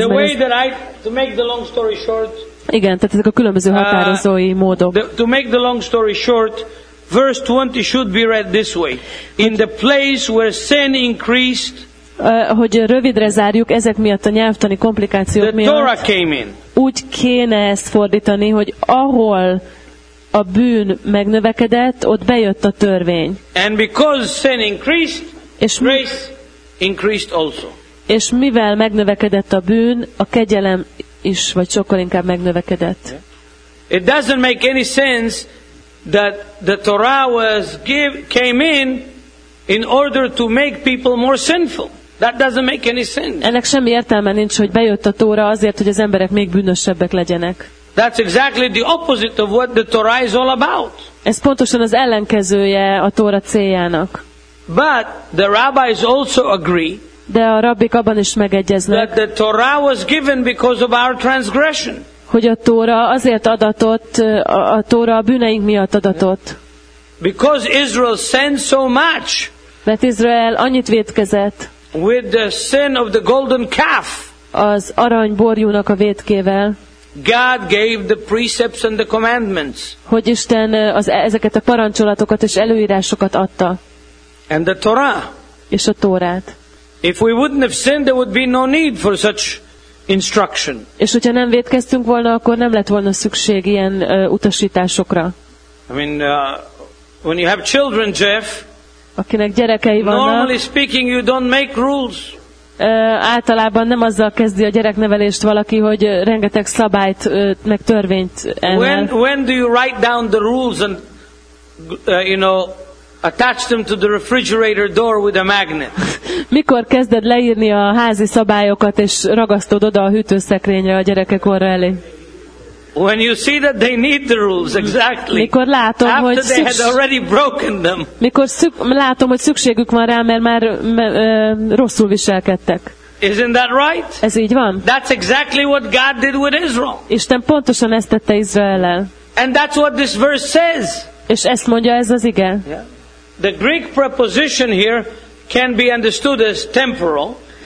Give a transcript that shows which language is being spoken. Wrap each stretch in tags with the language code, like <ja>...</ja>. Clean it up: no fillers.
<en>The way that I to make the long story short.</en> <hu>Igen, tehát ezek a különböző határozói módok.</hu> <en>To make the long story short, verse 20 should be read this way. In the place where sin increased,</en> <hu>hogy rövidre zárjuk ezek miatt a nyelvtani komplikációk miatt.</hu> <en>The Torah came in.</en> <hu>Úgy kéne ezt fordítani, hogy ahol a bűn megnövekedett, ott bejött a törvény.</hu> <en>And because sin increased, grace increased also.</en> <hu>És mivel megnövekedett a bűn, a kegyelem is, vagy sokkal inkább megnövekedett.</hu> <en>It doesn't make any sense that the Torah was came in order to make people more sinful. That doesn't make any sense.</en> <hu>Ennek semmi értelme nincs, hogy bejött a Tóra azért, hogy az emberek még bűnösebbek legyenek.</hu> <en>That's exactly the opposite of what the Torah is all about.</en> <hu>Ez pontosan az ellenkezője a Tóra céljának.</hu> <en>But the rabbis also agree.</en> <hu>De a rabbik abban is megegyeznek.</hu> <en>That the Torah was given because of our transgression.</en> <hu>Hogy a Tóra azért adatott, a Tóra a bűneink miatt adatott.</hu> <en>Because Israel sinned so much.</en> <hu>Mert Izrael annyit vétkezett.</hu> <en>With the sin of the golden calf.</en> <hu>Az arany borjúnak a vétkével.</hu> <en>God gave the precepts and the commandments.</en> <hu>Hogy Isten ezeket a parancsolatokat és előírásokat adta.</hu> <en>And the Torah.</en> <hu>És a Tórát.</hu> <en>If we wouldn't have sinned, there would be no need for such instruction.</en> <hu>És hogyha nem vétkeztünk volna, akkor nem lett volna szükség ilyen utasításokra.</hu> <en>I mean, when you have children, Jeff.</en> <hu>Akinek gyerekei vannak.</hu> <en>Normally speaking, you don't make rules.</en> <hu>Általában nem azzal kezdi a gyereknevelést valaki, hogy rengeteg szabályt meg törvényt emel.</hu> <en>When do you write down the rules and you know? Attach them to the refrigerator door with a magnet.</en> <hu>Mikor kezded leírni a házi szabályokat és ragasztod oda a hűtőszekrényre a gyerekek orra elé?</hu> <en>When you see that they need the rules exactly.</en> <hu>Mikor látom,</hu> <en>after</en> <hu>hogy</hu> <en>they had already broken them.</en> <hu>Mikor látom, hogy szükségük van rá, mert már rosszul viselkedtek.</hu> <en>Isn't that right?</en> <hu>Ez így van.</hu> <en>That's exactly what God did with Israel.</en> <hu>Isten pontosan ezt tette Izraellel.</hu> <en>And that's what this verse says.</en> <hu>És ezt mondja ez az ige.</hu> <en>The Greek preposition here can be understood as temporal.</en>